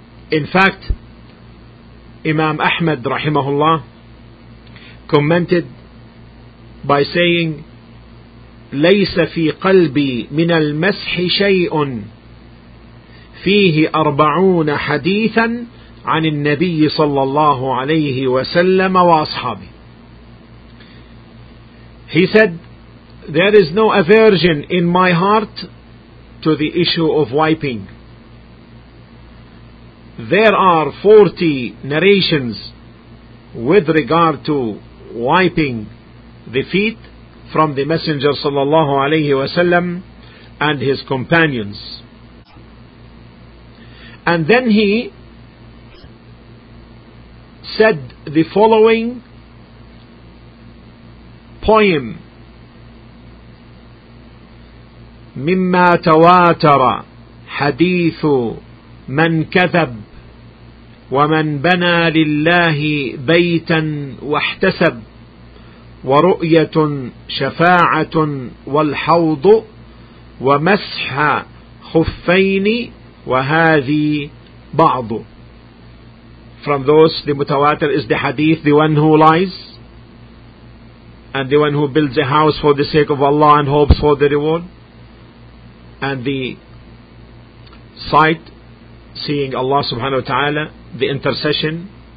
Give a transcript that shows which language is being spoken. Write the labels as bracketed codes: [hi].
[en] In fact, Imam Ahmad rahimahullah commented by saying, [ar] لَيْسَ فِي قَلْبِي مِنَ الْمَسْحِ شَيْءٌ فِيهِ أَرْبَعُونَ حَدِيثًا عَنِ النَّبِيِّ صَلَّى اللَّهُ عَلَيْهِ وَسَلَّمَ وَأَصْحَابِهِ. [en] He said, there is no aversion in my heart to the issue of wiping. There are 40 narrations with regard to wiping the feet from the Messenger sallallahu alayhi wasallam and his companions. And then he said the following poem, [ar] مما تواتر حديث من كذب ومن بنى لله بيتا واحتسب ورؤية شفاعة والحوض ومسح خفين وهذه بعض. [en] From those, the mutawatir is the hadith, the one who lies and the one who builds a house for the sake of Allah and hopes for the reward, and the sight, seeing Allah subhanahu wa ta'ala, the intercession